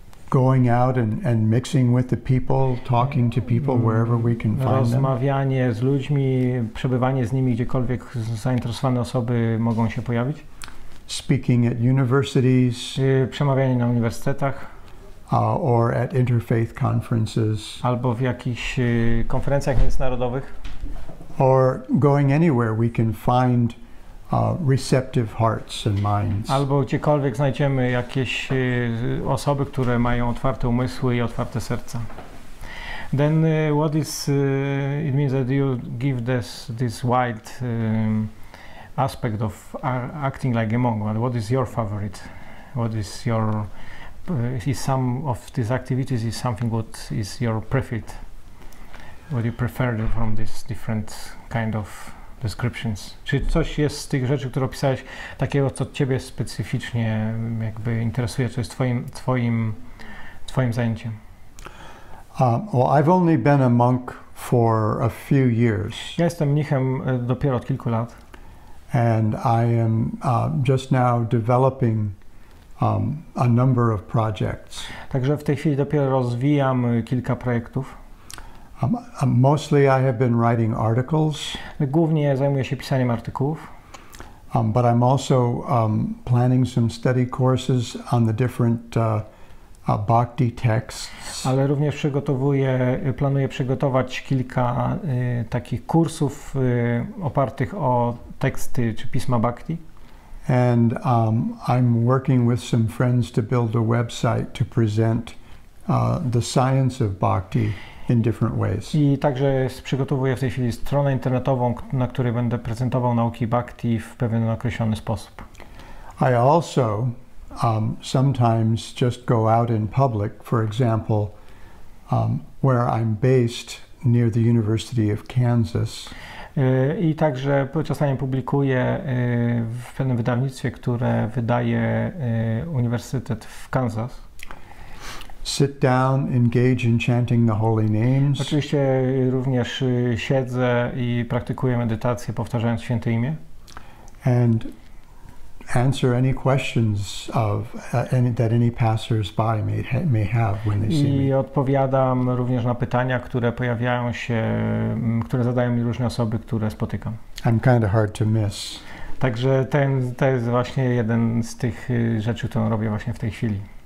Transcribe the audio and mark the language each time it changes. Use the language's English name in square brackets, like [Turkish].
[English] going out and mixing with the people, talking to people wherever we can find them. [Polish] Rozmawianie z ludźmi, przebywanie z nimi gdziekolwiek zainteresowane osoby mogą się pojawić. [English] Speaking at universities, [Polish] przemawianie na uniwersytetach, [English] or at interfaith conferences, [Polish] albo w jakichś konferencjach międzynarodowych. [English] Or going anywhere we can find receptive hearts and minds. [Polish] Albo gdziekolwiek znajdziemy jakieś osoby, które mają otwarte umysły i otwarte serca. [English] Then what is it means that you give this wide aspect of acting like a monk? What is your favorite? What is your is some of these activities is something what is your preferred? What do you prefer from these different kind of descriptions? [Polish] Czy coś jest z tych rzeczy, które opisałeś, takiego, co ciebie specyficznie jakby interesuje, co jest twoim zajęciem? [English] Well, I've only been a monk for a few years. [Polish] Ja jestem mnichem dopiero od kilku lat. [English] And I am just now developing a number of projects. [Polish] Także w tej chwili dopiero rozwijam kilka projektów. [English] Mostly I have been writing articles. [Polish] Głównie zajmuję się pisaniem artykułów. [English] But I'm also planning some study courses on the different bhakti texts. [Polish] Ale również planuję przygotować kilka takich kursów opartych o teksty czy pisma bhakti. [English] And I'm working with some friends to build a website to present the science of bhakti. In different ways. [Polish] I także przygotowuję w tej chwili stronę internetową, na której będę prezentował nauki bhakti w pewien określony sposób. [English] I also sometimes just go out in public, for example, where I'm based near the University of Kansas. [Polish] I także czasami publikuję w pewnym wydawnictwie, które wydaje Uniwersytet w Kansas. [English] Sit down, engage in chanting the holy names. [Polish] Oczywiście również siedzę i praktykuję medytację, powtarzając święte imię. [English] And answer any questions of that any passersby may have when they see me. [Polish] I odpowiadam również na pytania, które pojawiają się, które zadają mi różne osoby, które spotykam. [English] I'm kind of hard to miss. [Polish] Także to jest właśnie jeden z tych rzeczy, którą robię właśnie w tej chwili.